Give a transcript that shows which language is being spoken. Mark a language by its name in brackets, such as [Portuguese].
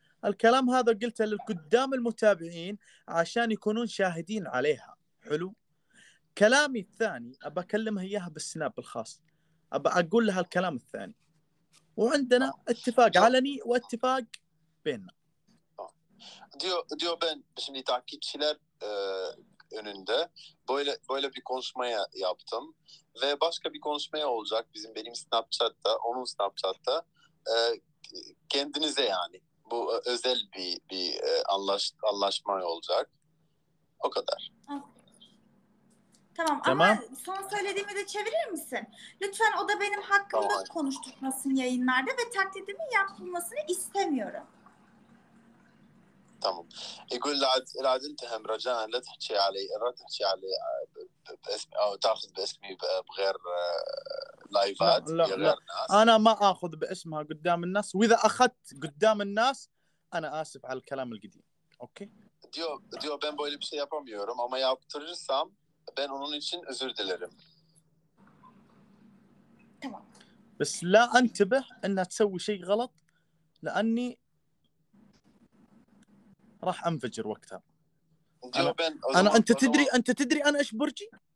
[Arabic] الكلام هذا قلته للقدام المتابعين عشان يكونون شاهدين عليها. حلو. كلامي الثاني أبى أكلمها إياها بالسناب الخاص، أبى أقول لها الكلام الثاني، وعندنا اتفاق علني واتفاق بيننا. [Turkish] ديو بن بسمي تأكيد شلر önünde böyle bir konuşmaya yaptım ve başka bir konuşmaya olacak bizim benim Snapchat'ta, onun Snapchat'ta kendinize yani bu özel bir anlaşma olacak, o kadar. Tamam ama tamam. Son söylediğimi de çevirir misin? Lütfen o da benim hakkımda tamam. Konuşturmasın yayınlarda ve taklidimi yapılmasını istemiyorum. Tamam. [Arabic] يقول لعد لعد انت هم رجاء لا تحكي علي، لا تحكي علي باسم او تاخذ باسمي بغير لايفات. لا لا انا ما اخذ باسمها قدام الناس، واذا اخذت قدام الناس انا اسف على الكلام القديم. اوكي؟ [Turkish] diyor ben böyle bir şey yapamıyorum ama yaptırırsam ben onun için özür dilerim. [Arabic] بس لا انتبه انها تسوي شيء غلط لاني راح انفجر وقتها. انا انت تدري انت تدري انا ايش برجي؟